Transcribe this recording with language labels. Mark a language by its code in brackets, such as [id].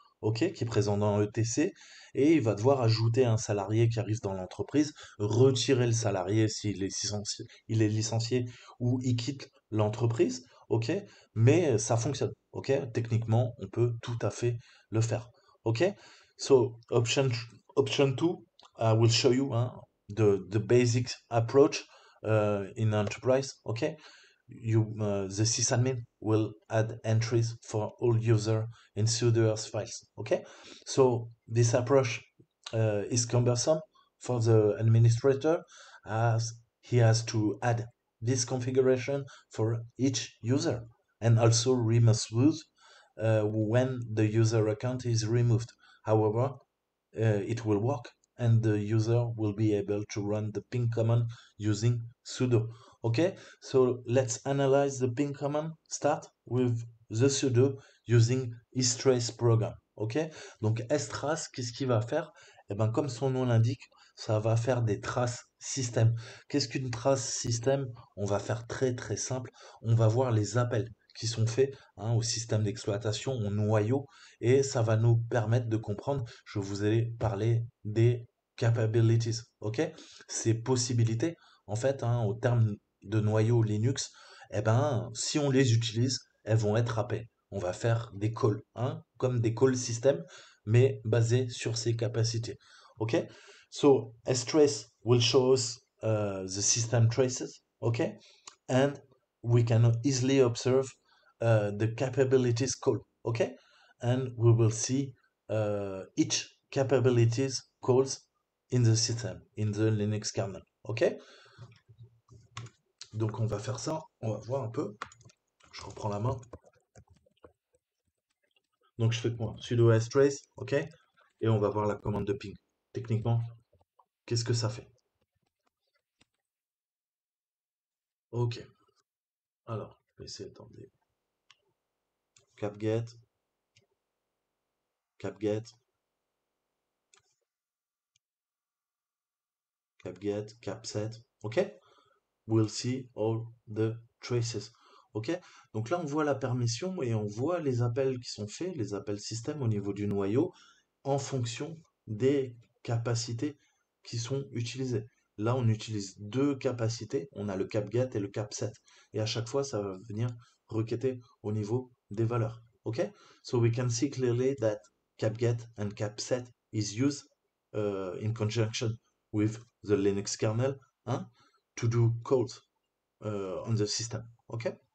[fr] OK, qui est présent dans ETC, et il va devoir ajouter un salarié qui arrive dans l'entreprise, retirer le salarié il est licencié ou il quitte l'entreprise, OK, mais ça fonctionne, OK, techniquement, on peut tout à fait le faire, OK? [en] So, option 2, I will show you the basic approach in enterprise, OK? The sysadmin will add entries for all user in pseudo-auth files. Okay, so this approach is cumbersome for the administrator as he has to add this configuration for each user and also remove when the user account is removed. However, it will work and the user will be able to run the ping command using sudo. Okay, so let's analyze the ping command. Start with the sudo using strace program. [fr] Okay, donc strace, qu'est-ce qu'il va faire? Eh bien, comme son nom l'indique, ça va faire des traces système. Qu'est-ce qu'une trace système? On va faire très très simple. On va voir les appels qui sont faits au système d'exploitation, au noyau, et ça va nous permettre de comprendre. Je vous ai parlé des capabilities. Okay, ces possibilités, en fait, au terme de noyau Linux, eh ben, si on les utilise, elles vont être happées. On va faire des calls, comme des calls système, mais basés sur ses capacités. OK? [en] So, strace will show us the system traces. OK? And we can easily observe the capabilities call. OK? And we will see each capabilities calls in the system, in the Linux kernel. OK? [fr] Donc on va faire ça, on va voir un peu. Je reprends la main. Donc je fais quoi? Sudo strace, ok? Et on va voir la commande de ping. Techniquement, qu'est-ce que ça fait? Ok. Alors, je vais essayer, attendez. Capget. Capget. [en] Capget. Capset. Ok? We'll see all the traces. OK? [fr] Donc là, on voit la permission et on voit les appels qui sont faits, les appels système au niveau du noyau, en fonction des capacités qui sont utilisées. Là, on utilise deux capacités. On a le capget et le capset. Et à chaque fois, ça va venir requêter au niveau des valeurs. OK? [en] So we can see clearly that capget and capset is used in conjunction with the Linux kernel. To do calls on the system. OK?